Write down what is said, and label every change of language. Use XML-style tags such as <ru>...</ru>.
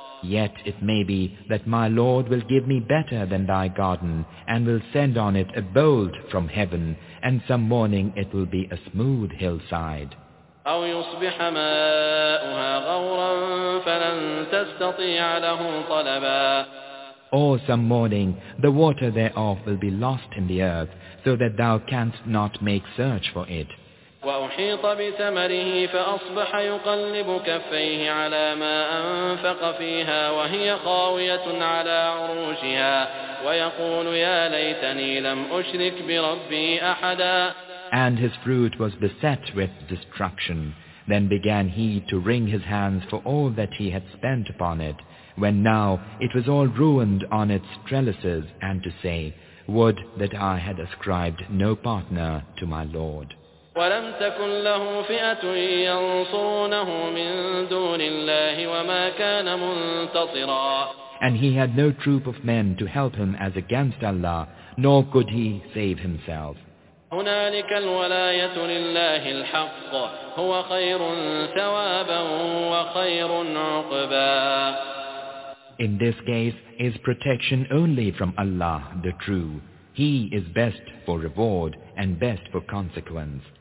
<en>Yet it may be that my Lord will give me better than thy garden, and will send on it a bolt from heaven, and some morning it will be a smooth hillside.</en> <ar>أَوْ يُصْبِحَ مَاؤُهَا غَوْرًا فَلَنْ تَسْتَطِيعَ لَهُ طَلَبًا.</ar> <en>Or some morning the water thereof will be lost in the earth, so that thou canst not make search for it.</en> <ar>وأحيط بثمره فأصبح يقلب كفيه على ما أنفق فيها وهي خاوية على عروشها ويقول يا ليتني لم أشرك بربي أحدا.</ar> <en>And his fruit was beset with destruction. Then began he to wring his hands for all that he had spent upon it, when now it was all ruined on its trellises, and to say, Would that I had ascribed no partner to my Lord.</en> <ar>ولم تكن له فئة ينصرونه من دون الله وما كان منتصرا.</ar> <en>And he had no troop of men to help him as against Allah, nor could he save himself.</en> <ar>هنالك الولاية لله الحق هو خير ثوابا وخير عقبا.</ar> <en>In this case is protection only from Allah, the true. He is best for reward and best for consequence.</en>